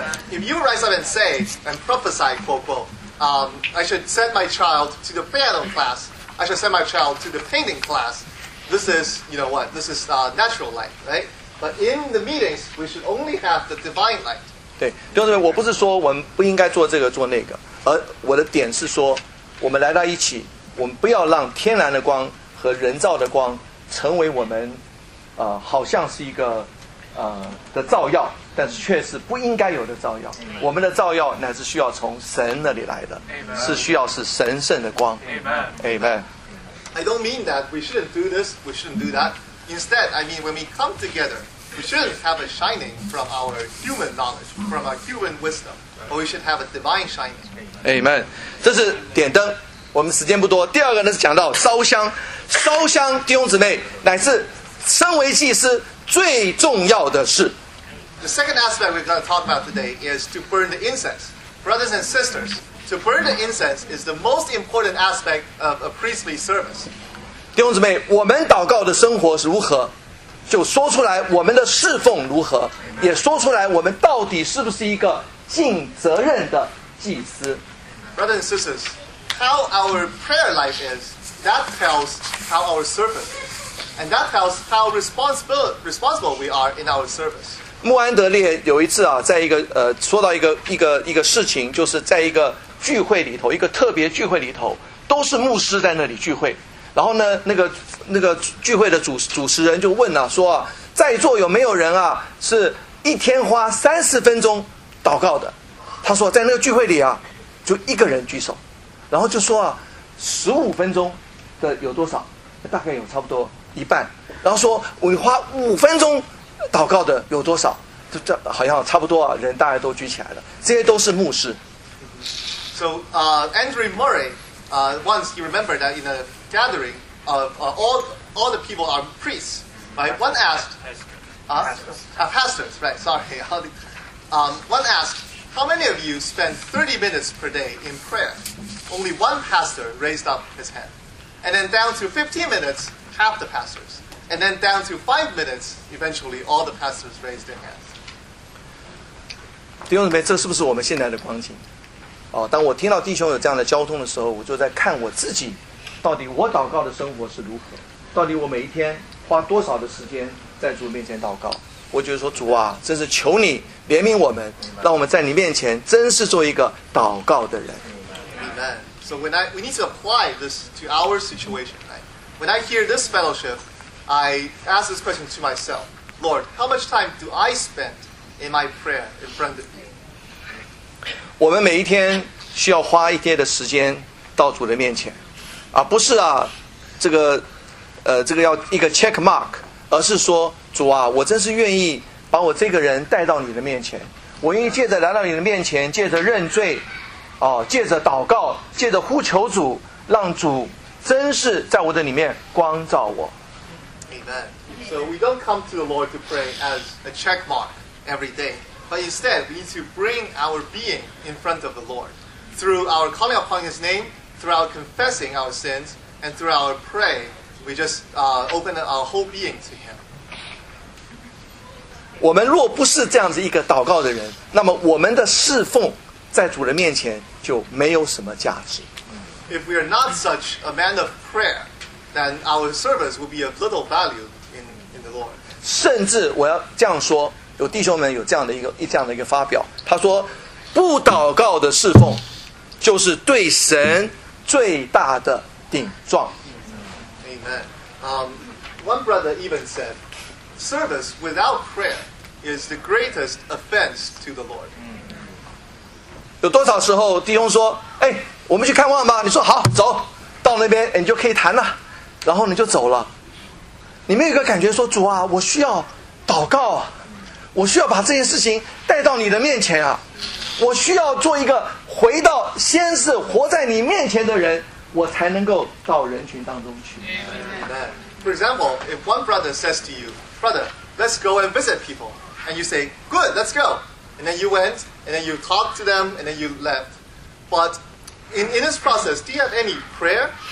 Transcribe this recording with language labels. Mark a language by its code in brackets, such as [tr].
[en] If you rise up and say and prophesy I should send my child to the piano class, I should send my child to the painting class, this is, you know what, this is natural light, right? But in the meetings, we should only have the divine light. [zh] 对，弟兄姊妹，我不是说我们不应该做这个做那个，而我的点是说，我们来到一起，我们不要让天然的光和人造的光成为我们，好像是一个，的照耀，但是却是不应该有的照耀。我们的照耀乃是需要从神那里来的， [en] Amen. [zh] 是需要是神圣的光。 [en] Amen. Amen. I don't mean that we shouldn't do this, we shouldn't do that. Instead, I mean, when we come together, we shouldn't have a shining from our human knowledge, from our human wisdom, but we should have a divine shining. Amen. [zh] 这是点灯，我们时间不多。第二个呢是讲到烧香，烧香弟兄姊妹乃是身为祭司最重要的事。 [en] The second aspect we're going to talk about today is to burn the incense. Brothers and sisters, to burn the incense is the most important aspect of a priestly service. [zh] 弟兄姊妹，我们祷告的生活是如何，就说出来我们的侍奉如何，也说出来我们到底是不是一个尽责任的祭司。 [en] Brothers and sisters, how our prayer life is, that tells how our service is, and that tells how responsible we are in our service. [zh] 穆安德烈有一次啊，在一个说到一个事情，就是在一个聚会里头，一个特别聚会里头，都是牧师在那里聚会。然后呢，那个聚会的主持人就问了、啊，说、啊、在座有没有人啊，是一天花30分钟祷告的？他说在那个聚会里啊，就一个人举手，然后就说啊，15分钟的有多少？大概有差不多一半。然后说我花5分钟祷告的有多少？这好像差不多啊，人大家都举起来了，这些都是牧师。 [en] So, Andrew Murray, once he remembered that in a gathering of all the people are priests, right? One asked, one asked, how many of you spend 30 minutes per day in prayer? Only one pastor raised up his hand. And then down to 15 minutes, half the pastors. And then down to 5 minutes, eventually all the pastors raised their hands. [zh] 弟兄姊妹，这是不是我们现在的光景？哦，当我听到弟兄有这样的交通的时候，我就在看我自己。到底我祷告的生活是如何？到底我每一天花多少的时间在主面前祷告？我觉得说主啊，真是求你怜悯我们，让我们在你面前真是做一个祷告的人。 [en] Amen. So we need to apply this to our situation, right? When I hear this fellowship, I ask this question to myself: Lord, how much time do I spend in my prayer in front of you? [zh] 我们每一天需要花一天的时间到主的面前。啊，不是啊，这个要一个 check mark， 而是说主啊，我真是愿意把我这个人带到你的面前，我愿意借着来到你的面前，借着认罪，哦，借着祷告，借着呼求主，让主真是在我的里面光照我。 [en] Amen. So we don't come to the Lord to pray as a check mark every day, but instead we need to bring our being in front of the Lord through our calling upon His name. Through our confessing our sins and through our pray, we just open our whole being to Him. [zh] 我们若不是这样子一个祷告的人，那么我们的侍奉在主的面前就没有什么价值。 [en] If we are not such a man of prayer, then our service will be of little value in the Lord. [zh] 甚至我要这样说，有弟兄们有这样的一个发表，他说，不祷告的侍奉就是对神。最大的顶撞。 [en] Amen. One brother even said, "Service without prayer is the greatest offense to the Lord." [zh] 有多少时候弟兄说，哎，我们去看望吧，你说好走到那边，你就可以谈了，然后你就走了。你们有个感觉说，主啊，我需要祷告啊，我需要把这些事情带到你的面前啊，我需要做一个回到先是活在你面前的人，我才能够到人群当中去。 [en] For example, if one brother says to you, brother, let's go and visit people, and you say, good, let's go, and then you went and then you talked to them and then you left, but in this process, do you have any prayer?